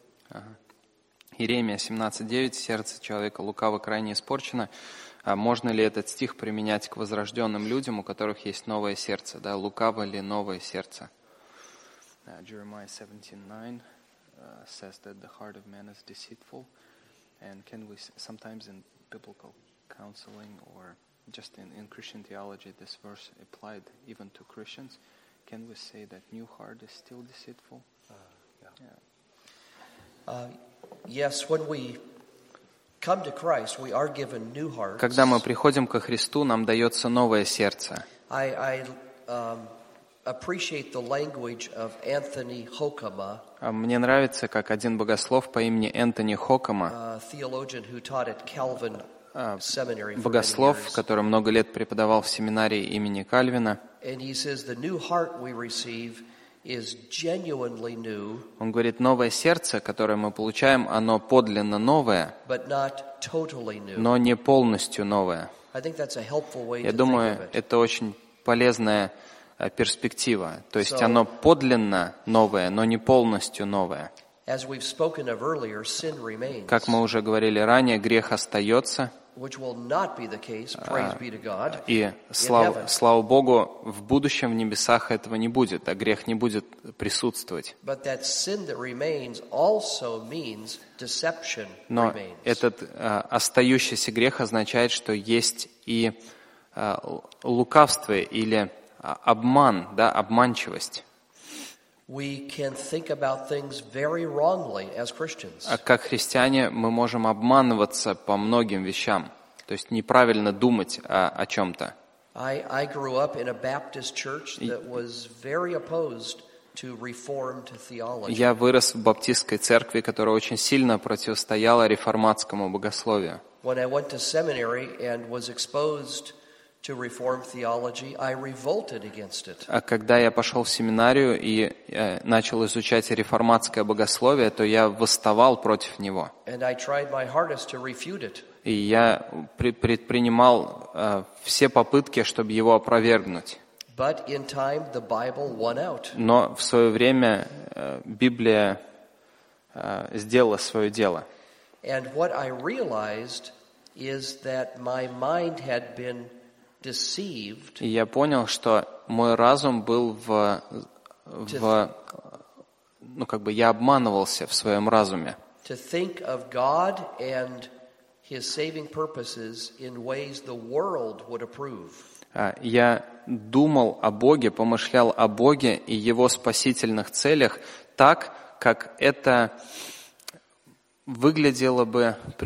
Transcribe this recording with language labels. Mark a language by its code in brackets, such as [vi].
[ru] Ага. Иеремия 17:9. Сердце человека лукаво, крайне испорчено. А можно ли этот стих применять к возрожденным людям, у которых есть новое сердце? Да, лукаво ли новое сердце? [en] Jeremiah 17:9 says that the heart of man is deceitful, and can we sometimes in biblical counseling or just in Christian theology this verse applied even to Christians? Can we say that new heart is still deceitful? Yes, when we come to Christ, we are given new hearts. [ru] Когда мы приходим ко Христу, нам дается новое сердце. [en] I appreciate the language of Anthony Hokama. [ru] Мне нравится, как один богослов по имени Энтони Хокама, [en] theologian who taught at Calvin Seminary, [ru] богослов, который много лет преподавал в семинарии имени Кальвина. [en] And he says the new heart we receive is genuinely new. [ru] Он говорит, новое сердце, которое мы получаем, оно подлинно новое, [en] but not totally new. [ru] Но не полностью новое. [en] I think that's a helpful way to think of it. [ru] Я думаю, это очень полезная перспектива. То есть оно подлинно новое, но не полностью новое. [en] As we've spoken of earlier, sin remains. [ru] Как мы уже говорили ранее, грех остается. [en] Which will not be the case, praise be to God. [ru] И слава Богу, в будущем в небесах этого не будет, а грех не будет присутствовать. [en] But that sin that remains also means deception remains. [ru] Но этот остающийся грех означает, что есть и лукавство или обман, да, обманчивость. [en] We can think about things very wrongly as Christians. [ru] А как христиане мы можем обманываться по многим вещам, то есть неправильно думать о чем-то. [en] I grew up in a Baptist church that was very opposed to Reformed theology. [ru] Я вырос в баптистской церкви, которая очень сильно противостояла реформатскому богословию. [en] When I went to seminary and was exposed to reform theology, I revolted against it. [ru] А когда я пошел в семинарию и начал изучать реформатское богословие, то я восставал против него. [en] And I tried my hardest to refute it. [ru] И я предпринимал все попытки, чтобы его опровергнуть. [en] But in time, the Bible won out. [ru] Но в свое время Библия сделала свое дело. [en] And what I realized is that my mind had been deceived. [ru] И я понял, что мой разум был я обманывался в своем разуме. [en] To think of God and His saving purposes in ways the world would approve. [ru] Я думал о Боге, помышлял о Боге и Его спасительных целях так, как это выглядело бы